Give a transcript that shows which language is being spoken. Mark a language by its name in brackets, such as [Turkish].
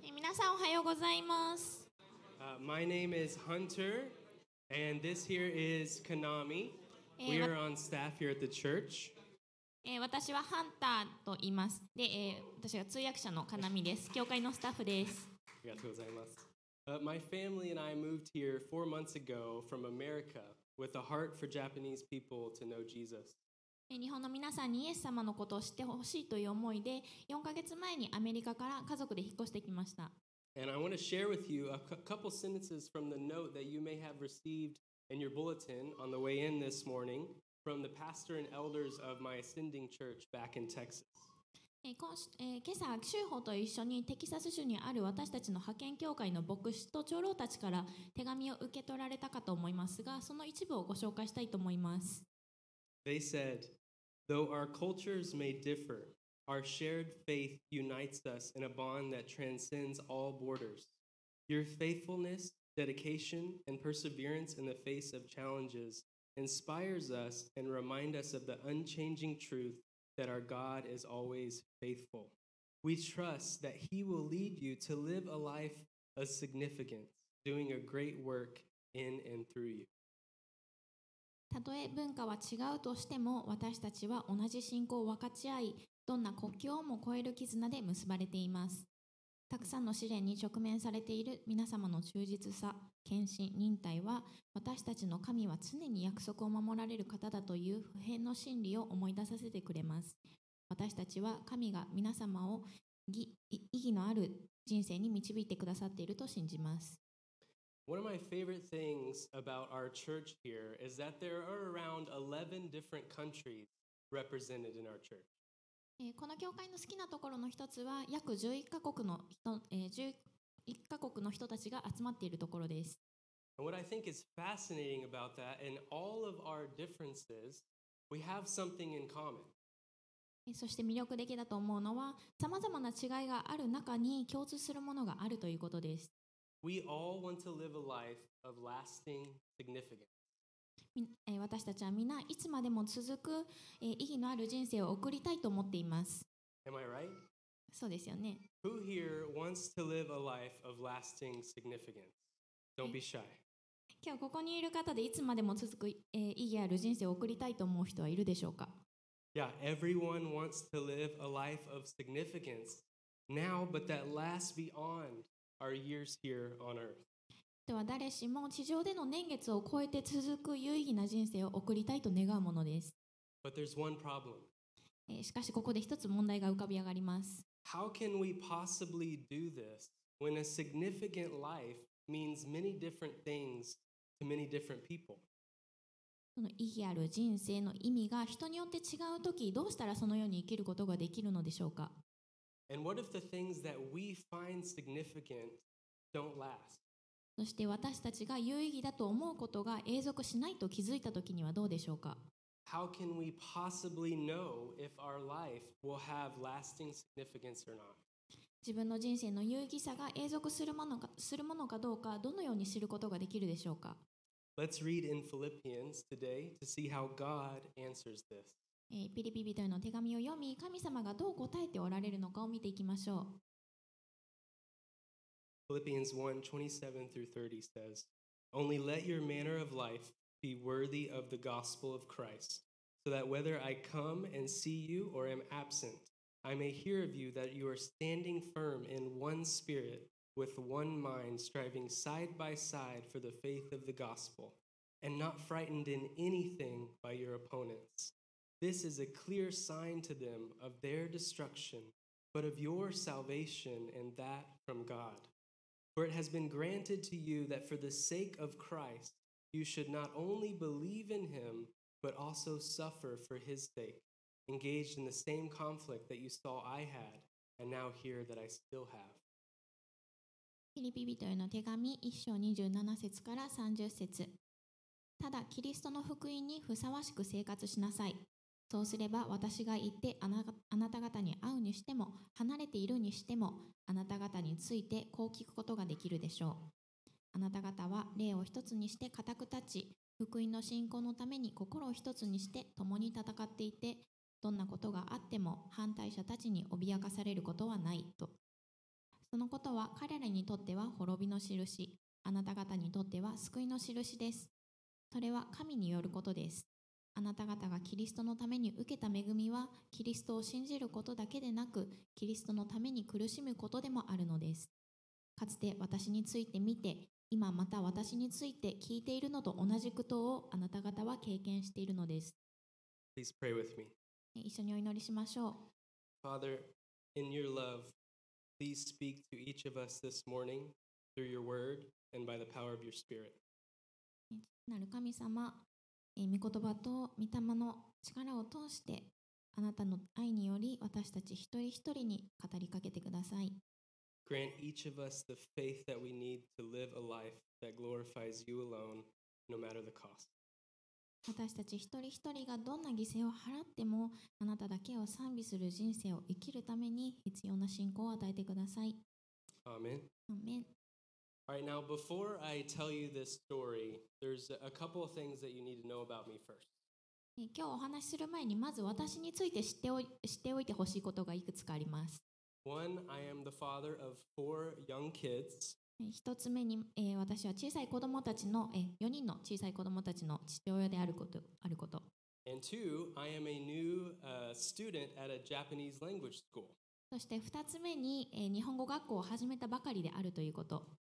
[Japanese] 皆さん、おはようございます。 [English] My name is Hunter, and this here is Konami. We are on staff here at the church. [Japanese] 私はハンターと言います。で、私は通訳者のカナミです。教会のスタッフです。ありがとうございます。 [English] My family and I moved here 4 months ago from America with a heart for Japanese people to know Jesus. [Japanese] 日本の皆さんにイエス様のことを知ってほしいという思いで、4ヶ月前にアメリカから家族で引っ越してきました。 [English] And I want to share with you a couple sentences from the note that you may have received in your bulletin on the way in this morning. From the pastor and elders of my ascending church back in Texas. [Japanese] 今朝、修法と一緒にテキサス州にある私たちの派遣教会の牧師と長老たちから手紙を受け取られたかと思いますが、その一部をご紹介したいと思います。 [English] They said, though our cultures may differ, our shared faith unites us in a bond that transcends all borders. Your faithfulness, dedication, and perseverance in the face of challenges. Inspires us and reminds us of the unchanging truth that our God is always faithful. We trust that He will lead you to live a life of significance, doing a great work in and through you. [Japanese] たとえ文化は違うとしても、私たちは同じ信仰を分かち合い、どんな国境も超える絆で結ばれています。たくさんの試練に直面されている皆様の忠実さ、献身、忍耐は私たちの神は常に約束を守られる方だという不変の真理を思い出させてくれます。私たちは神が皆様を意義のある人生に導いてくださっていると信じます。 [English] One of my favorite things about our church here is that there are around 11 different countries represented in our church [Japanese] この教会の好きなところの一つは約11カ国の人たちが集まっているところです。 [English] And what I think is fascinating about that, in all of our differences, we have something in common. [Japanese] そして魅力的だと思うのは、さまざまな違いがある中に共通するものがあるということです。 [English] We all want to live a life of lasting significance. [Japanese] 私たちはみんないつまでも続く意義のある人生を送りたいと思っています。 [English] Am I right? [Japanese] そうですよね。 [English] Who here wants to live a life of lasting significance? Don't be shy. [Japanese] 今日ここにいる方でいつまでも続く意義ある人生を送りたいと思う人はいるでしょうか? [English] Yeah, everyone wants to live a life of significance now, but that lasts beyond our years here on earth. [Japanese] では誰しも地上での年月を超えて続く有意義な人生を送りたいと願うものです。 [English] But there's one problem. [Japanese] しかしここで一つ問題が浮かび上がります。 [English] How can we possibly do this when a significant life means many different things to many different people? [Japanese] その意義ある人生の意味が人によって違うとき、どうしたらそのように生きることができるのでしょうか。 [English] And what if the things that we find significant don't last? [Japanese] そして私たちが有意義だと思うことが永続しないと気づいたときにはどうでしょうか。 [English] How can we possibly know if our life will have lasting significance or not? [Japanese] 自分の人生の有意義さが永続するものか、するものかどうか、どのように知ることができるでしょうか。 [English] Let's read in Philippians today to see how God answers this. [Japanese] ピリピ人への手紙を読み、神様がどう答えておられるのかを見ていきましょう。 [English] Philippians 1:27-30 says, Only let your manner of life be worthy of the gospel of Christ, so that whether I come and see you or am absent, I may hear of you that you are standing firm in one spirit. With one mind striving side by side for the faith of the gospel, and not frightened in anything by your opponents. This is a clear sign to them of their destruction, but of your salvation and that from God. For it has been granted to you that for the sake of Christ, you should not only believe in him, but also suffer for his sake, engaged in the same conflict that you saw I had, and now hear that I still have. [Japanese] ピリピ人への手紙1章27節から30節。ただキリストの福音にふさわしく生活しなさい。そうすれば私が行ってあなた方に会うにしても、離れているにしても、あなた方についてこう聞くことができるでしょう。あなた方は霊を一つにして固く立ち、福音の信仰のために心を一つにして共に戦っていて、どんなことがあっても反対者たちに脅かされることはないと。そのことは彼らにとっては滅びの印、あなた方にとっては救いの印です。それは神によることです。あなた方がキリストのために受けた恵みは、キリストを信じることだけでなく、キリストのために苦しむことでもあるのです。かつて私について見て、今また私について聞いているのと同じ苦闘をあなた方は経験しているのです。 [English] Please pray with me. [Japanese] 一緒にお祈りしましょう。 [English] Father, in your love,Please speak to each of us this morning through your word and by the power of your spirit. [Japanese] なる神様、御言葉と御霊の力を通して、あなたの愛により私たち一人一人に語りかけてください。 [English] Grant each of us the faith that we need to live a life that glorifies you alone, no matter the cost. [Japanese] 私たち一人一人がどんな犠牲を払ってもあなただけを賛美する人生を生きるために必要な信仰を与えてください。アーメン。アーメン。 [English] Alright, now before I tell you this story, there's a couple of things that you need to know about me first. [Japanese] 今日お話しする前にまず私について知っておいてほしいことがいくつかあります。 [English] One, I am the father of four young kids. [Japanese] 一つ目に、私は小さい子供たちの、4人の小さい子供たちの父親であること、 [English] And two, I am a new, student at a Japanese language school. [Japanese] そして二つ目に、日本語学校を始めたばかりであるということ。